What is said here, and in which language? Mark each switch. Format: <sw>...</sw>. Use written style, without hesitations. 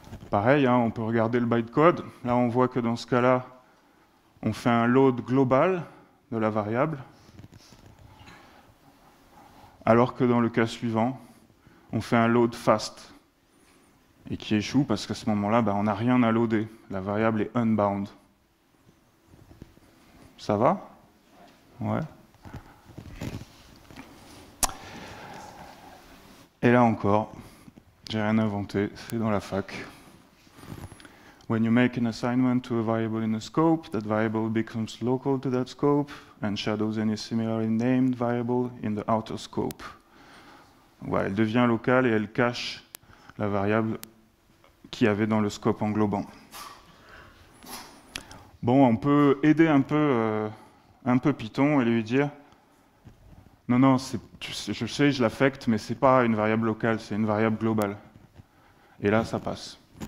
<fr>Pareil, hein, on peut regarder le bytecode. Là, on voit que dans ce cas-là, on fait un load global de la variable, alors que dans le cas suivant, on fait un load fast, et qui échoue parce qu'à ce moment-là, ben, on n'a rien à loader. La variable est unbound. Ça va? Ouais. Et là encore, j'ai rien inventé, c'est dans la fac.</fr> <en>When you make an assignment to a variable in a scope, that variable becomes local to that scope and shadows any similarly named variable in the outer scope.</en> <fr>Ouais, elle devient locale et elle cache la variable qu'il y avait dans le scope englobant. Bon, on peut aider un peu Python et lui dire non, non, je l'affecte, mais ce n'est pas une variable locale, c'est une variable globale. Et là, ça passe.</fr>